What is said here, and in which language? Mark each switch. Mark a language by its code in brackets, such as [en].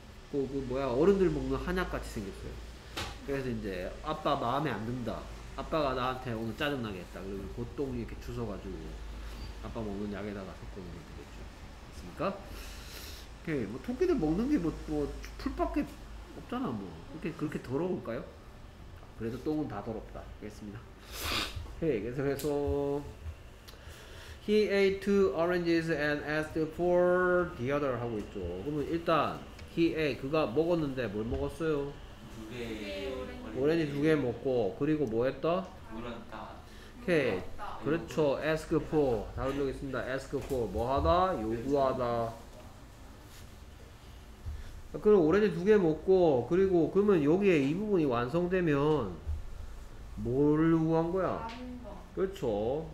[ko] 그 뭐야, 어른들 먹는 한약같이 생겼어요. 그래서 이제 아빠 마음에 안 든다. 아빠가 나한테 오늘 짜증나게 했다. 그러면 그 똥 이렇게 주워가지고 아빠 먹는 약에다가 섞어놓으면 되겠죠. 맞습니까? 오케이. 뭐 토끼들 먹는 게 뭐 풀밖에 없잖아, 뭐. 그렇게 더러울까요? 그래서 똥은 다 더럽다. 알겠습니다. 오케이. 계속해서 [en] He ate two oranges and asked for the other [ko] 하고 있죠. 그러면 일단 [en] he ate [ko] 그가 먹었는데 뭘 먹었어요? 두 개 오렌지 두 개 먹고 그리고 뭐 했다? 물었다. 오케이. 그렇죠. ask for. 다른 적 있습니다. ask for. 뭐 하다? 요구하다. 그럼 오렌지 두 개 먹고, 그리고 그러면 여기에 이 부분이 완성되면 뭘 요구한 거야? 그렇죠.